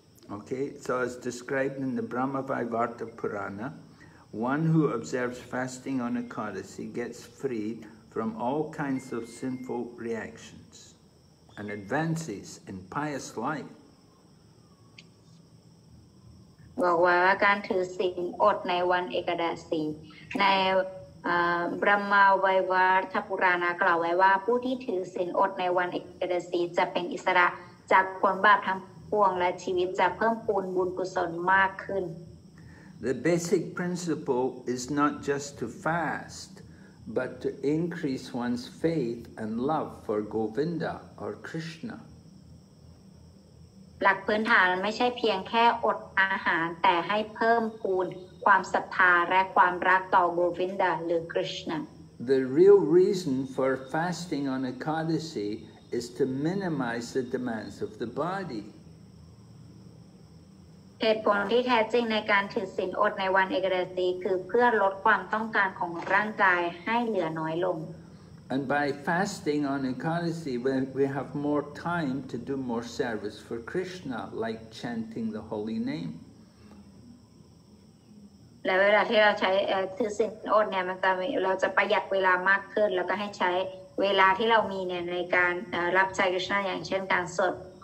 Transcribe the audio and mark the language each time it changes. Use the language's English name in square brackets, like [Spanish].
[English] Okay, so as described in the Brahmavivarta Purana, one who observes fasting on Ekadasi gets freed from all kinds of sinful reactions and advances in pious life. [Thai] บอกว่าการถือศีลอดในวันเอกาดศีในบรมาไววาทปุราณากล่าวไว้ว่าผู้ที่ถือศีลอดในวันเอกาดศีจะเป็นอิสระจากความบาปทั้งปวงและชีวิตจะเพิ่มปูนบุญกุศลมากขึ้น [English] The basic principle is not just to fast but to increase one's faith and love for Govinda or Krishna. [Thai] หลักพื้นฐานไม่ใช่เพียงแค่อดอาหารแต่ให้เพิ่มพูนความศรัทธาและความรักต่อโกวินดาหรือคริชนา [English] The real reason for fasting on Ekadasi is to minimize the demands of the body. [Thai] เหตุผลที่แท้จริงในการถือศีลอดในวันเอกาดศีคือเพื่อลดความต้องการของร่างกายให้เหลือน้อยลง [English] And by fasting on Ekadasi, we have more time to do more service for Krishna, like chanting the holy name. [Thai] และเวลาที่เราใช้ถือศีลอดเนี่ยมันจะเราจะประหยัดเวลามากขึ้นแล้วก็ให้ใช้เวลาที่เรามีเนี่ยในการรับใช้คริสต์อย่างเช่นการสวด